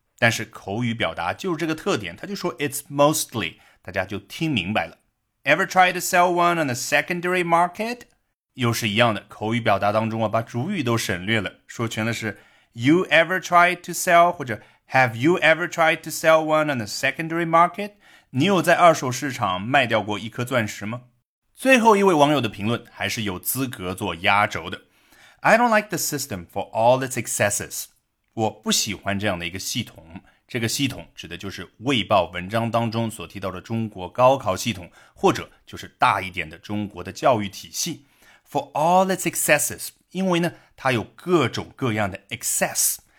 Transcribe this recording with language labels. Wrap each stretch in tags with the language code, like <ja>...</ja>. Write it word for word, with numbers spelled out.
<zh>但是口语表达就是这个特点，他就说</zh> <en>it's mostly，</en> <zh>大家就听明白了。</zh> <en>Ever try to sell one on the secondary market?</en> <zh>又是一样的，口语表达当中啊，把主语都省略了，说全了是</zh> <en>You ever tried to sell</en> <zh>或者</zh> <en>Have you ever tried to sell one on the secondary market?</en> <zh>你有在二手市场卖掉过一颗钻石吗？最后一位网友的评论还是有资格做压轴的。</zh> <en>I don't like the system for all its excesses.</en> <zh>我不喜欢这样的一个系统。这个系统指的就是《卫报》文章当中所提到的中国高考系统，或者就是大一点的中国的教育体系。</zh> <en>For all its excesses,</en> <zh>因为呢，它有各种各样的 excess。</zh>